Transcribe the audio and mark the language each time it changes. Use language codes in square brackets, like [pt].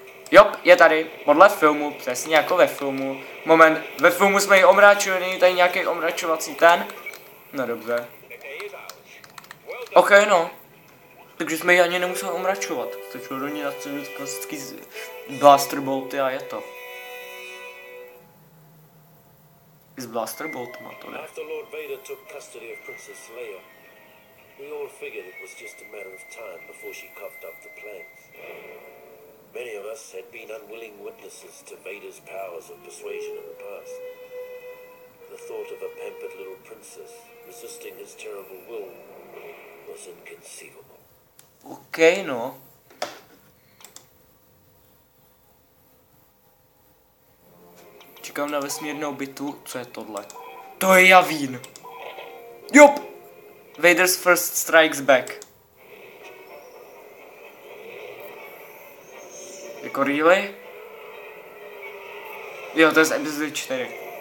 [cs] Jo, je tady, podle filmu, přesně jako ve filmu. Moment, ve filmu jsme ji omráčili, není tady nějaký omračovací ten? No dobře. Ok, no. Takže jsme ji ani nemuseli omračovat. Stačilo do ní nastřelit klasický blaster bolty a je to. Is Blaster Bolt Matone. [en] After Lord Vader took custody of Princess Leia, we all figured it was just a matter of time before she coughed up the plans. Many of us had been unwilling witnesses to Vader's powers of persuasion in the past. The thought of a pampered little princess resisting his terrible will was inconceivable. [cs] Okay, no. Čekám na vesmírnou bitvu, co je tohle? To je Yavin! Jup! [en] Vader's first strikes back. [cs] Jako really? Jo, to je z epizody 4.